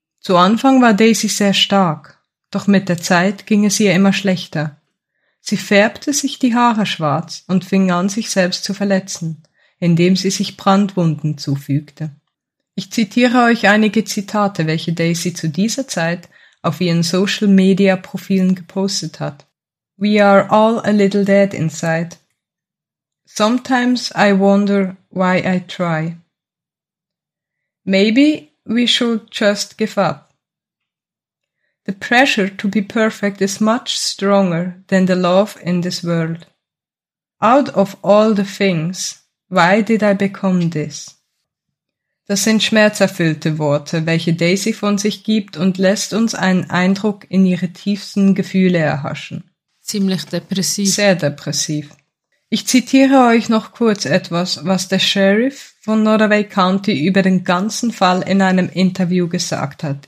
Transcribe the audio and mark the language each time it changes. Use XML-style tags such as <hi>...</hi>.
<de>Zu Anfang war Daisy sehr stark, doch mit der Zeit ging es ihr immer schlechter. Sie färbte sich die Haare schwarz und fing an, sich selbst zu verletzen, indem sie sich Brandwunden zufügte. Ich zitiere euch einige Zitate, welche Daisy zu dieser Zeit auf ihren Social-Media-Profilen gepostet hat.</de> <en>We are all a little dead inside. Sometimes I wonder why I try. Maybe we should just give up. The pressure to be perfect is much stronger than the love in this world. Out of all the things, why did I become this?</en> <de>Das sind schmerzerfüllte Worte, welche Daisy von sich gibt und lässt uns einen Eindruck in ihre tiefsten Gefühle erhaschen. Ziemlich depressiv. Sehr depressiv. Ich zitiere euch noch kurz etwas, was der Sheriff von Nottoway County über den ganzen Fall in einem Interview gesagt hat.</de>